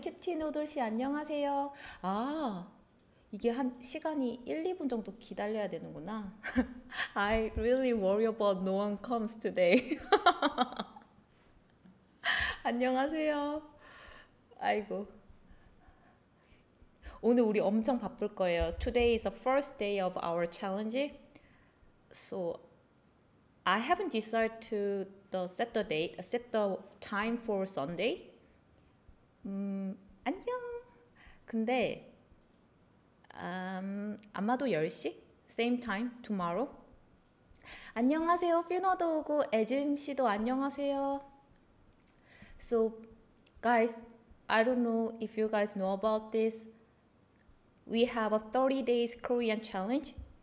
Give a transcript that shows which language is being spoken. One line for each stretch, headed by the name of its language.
Korean: 큐티 노들 씨 안녕하세요. 아. 이게 한 시간이 1, 2분 정도 기다려야 되는구나.
English: I really worry about no one comes today.
Korean: 안녕하세요. 아이고. 오늘 우리 엄청 바쁠 거예요.
English: Today is the first day of our challenge. So I haven't decided to set the date, set the time for Sunday.
Korean: 안녕. 근데 아마도 10시?
English: Same time, tomorrow?
Korean: 안녕하세요, 피노도 오고, 에즈임씨도 안녕하세요.
English: So, guys, I don't know if you guys know about this. We have a 30 days Korean challenge.